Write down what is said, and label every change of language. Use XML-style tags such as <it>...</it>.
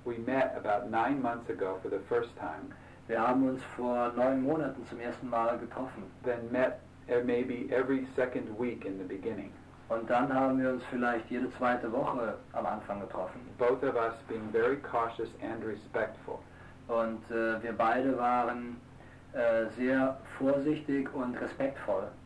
<en>We met about 9 months ago for the first time.</en> <de>Wir haben uns vor 9 Monaten zum ersten Mal getroffen.</de> <en>Then met maybe every second week in the beginning.</en> <de>Und dann haben wir uns vielleicht jede zweite Woche am Anfang getroffen.</de> <en>Both of us being very cautious and respectful.</en> <de>Und wir beide waren sehr vorsichtig und respektvoll.</de>